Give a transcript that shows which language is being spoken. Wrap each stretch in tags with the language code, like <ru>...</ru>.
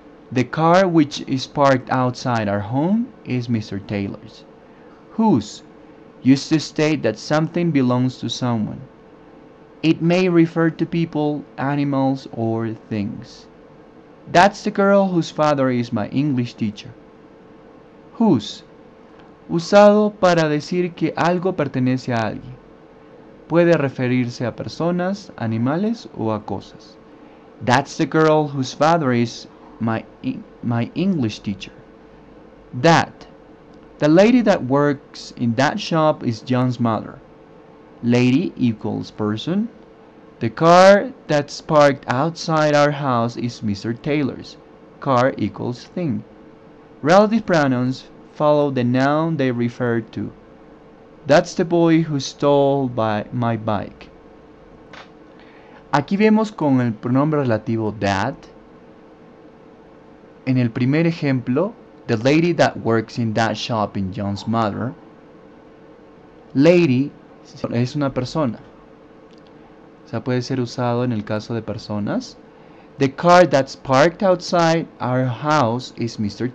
<en>The car which is parked outside our home is Mr. Taylor's. Whose? Used to state that something belongs to someone. It may refer to people, animals, or things. That's the girl whose father is my English teacher. Whose?</en> <es>Usado para decir que algo pertenece a alguien. Puede referirse a personas, animales, o a cosas.</es> <en>That's the girl whose father is my English teacher. That. The lady that works in that shop is John's mother. Lady equals person. The car that's parked outside our house is Mr. Taylor's. Car equals thing. Relative pronouns follow the noun they refer to. That's the boy who stole my bike.</en> <es>Aquí vemos con el pronombre relativo that. En el primer ejemplo,</es> <en>the lady that works in that shop is John's mother.</en> <es>Lady es una persona. O sea, puede ser usado en el caso de personas.</es> <en>The car that's parked outside our house is Mr.</en>